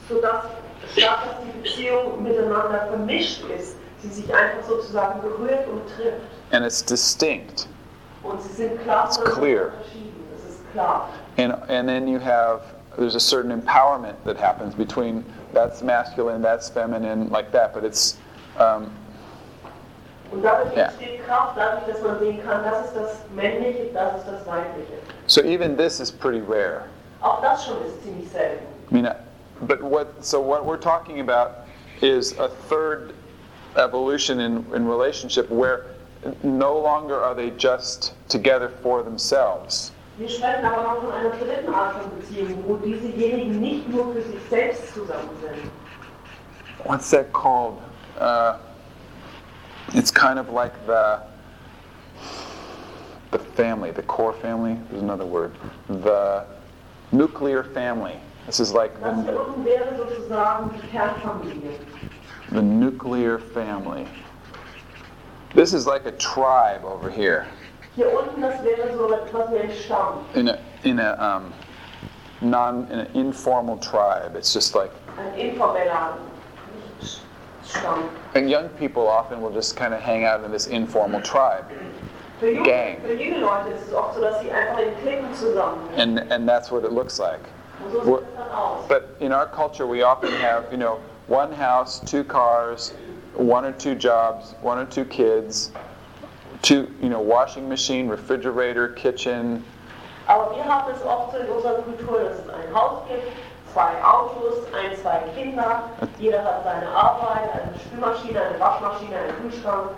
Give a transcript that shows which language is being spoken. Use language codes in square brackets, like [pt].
[de] So dass statt dass die Beziehung miteinander vermischt ist, sie sich einfach sozusagen berührt und trifft. [en] And it's distinct. [de] Und sie sind klar und [en] clear. [de] Es ist klar. [en] And then you have, there's a certain empowerment that happens between that's masculine, that's feminine, like that, but it's, so even this is pretty rare. [de] Auch das schon ist ziemlich selten. [en] I mean, but what we're talking about is a third evolution in relationship where no longer are they just together for themselves. [de] Wir sprechen aber noch von einer dritten Art von Beziehung, wo diesejenigen nicht nur für sich selbst zusammen sind. [en] What's that called? It's kind of like the family, the core family. There's another word. The nuclear family. This is like [de] das hier unten wäre sozusagen die Kernfamilie. [en] The nuclear family. This is like a tribe over here. [de] Hier unten, das wäre so etwas wie ein Stamm. [en] In an informal tribe. It's just like [de] ein informeller Stamm. [en] And young people often will just kind of hang out in this informal tribe. Gang. [de] Für junge Leute ist es oft so, dass sie einfach in Klicken zusammen. [en] And that's what it looks like. [de] Und so sieht es dann aus. [en] But in our culture we often have, you know, one house, two cars, one or two jobs, one or two kids. To, you know, washing machine, refrigerator, kitchen. [de] Aber wir haben es oft so in unserer Kultur, dass es ein Haus gibt, zwei Autos, ein, zwei Kinder, jeder hat seine Arbeit, eine Spülmaschine, eine Waschmaschine, einen Kühlschrank.